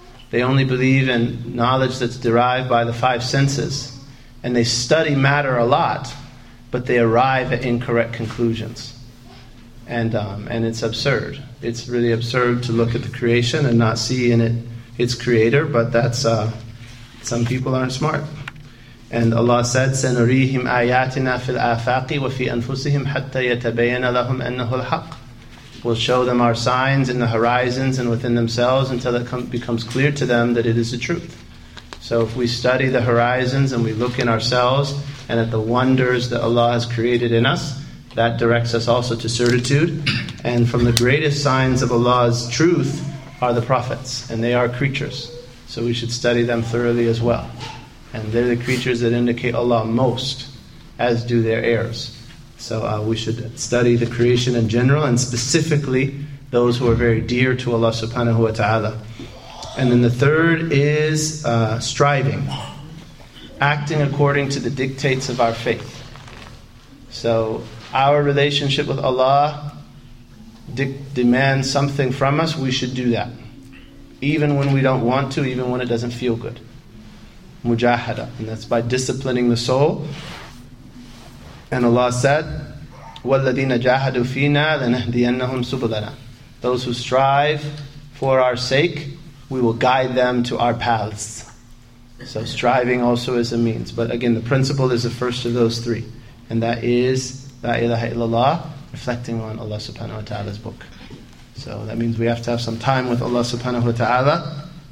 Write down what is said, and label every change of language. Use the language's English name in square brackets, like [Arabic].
[English] They only believe in knowledge that's derived by the five senses. And they study matter a lot, but they arrive at incorrect conclusions. And it's absurd. It's really absurd to look at the creation and not see in it its creator, but that's some people aren't smart. And Allah said, [Arabic] سَنُرِيهِمْ آيَاتِنَا فِي الْآفَاقِ وَفِي أَنفُسِهِمْ حَتَّى يَتَبَيَّنَ لَهُمْ أَنَّهُ الْحَقِّ. [English] We'll show them our signs in the horizons and within themselves until it becomes clear to them that it is the truth. So if we study the horizons and we look in ourselves and at the wonders that Allah has created in us, that directs us also to certitude. And from the greatest signs of Allah's truth are the prophets, and they are creatures. So we should study them thoroughly as well. And they're the creatures that indicate Allah most, as do their heirs. So we should study the creation in general, and specifically those who are very dear to Allah subhanahu wa ta'ala. And then the third is striving, acting according to the dictates of our faith. So our relationship with Allah demands something from us, we should do that. Even when we don't want to, even when it doesn't feel good. Mujahada, and that's by disciplining the soul. And Allah said, [Arabic] وَالَّذِينَ جَاهَدُوا فِينَا لَنَهْدِيَنَّهُمْ سُبُلَنَا. [English] Those who strive for our sake, we will guide them to our paths. So striving also is a means. But again, the principle is the first of those three. And that is, La ilaha illallah, reflecting on Allah subhanahu wa ta'ala's book. So that means we have to have some time with Allah subhanahu wa ta'ala.